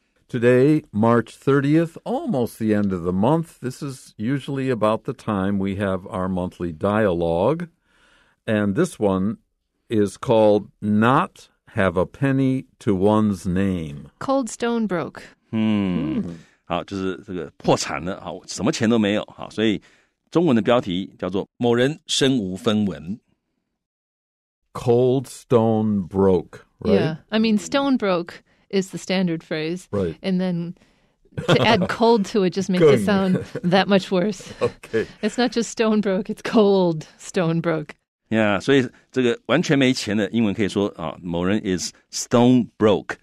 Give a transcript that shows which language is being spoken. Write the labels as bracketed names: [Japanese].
[English] Today, March 30th, almost the end of the month. This is usually about the time we have our monthly dialogue. And this one is called Not Have a Penny to One's Name. Cold stone broke. [Chinese] 好，就是这个破产了，好，什么钱都没有，好，所以中文的标题叫做某人身无分文。 [English] Cold stone broke, right? Yeah, I mean, stone broke is the standard phrase. Right. And then to add cold to it just makes it sound that much worse. Okay. It's not just stone broke, it's cold stone broke. [Chinese] Yeah, 所以这个完全没钱的英文可以说啊，某人 [English] is stone broke.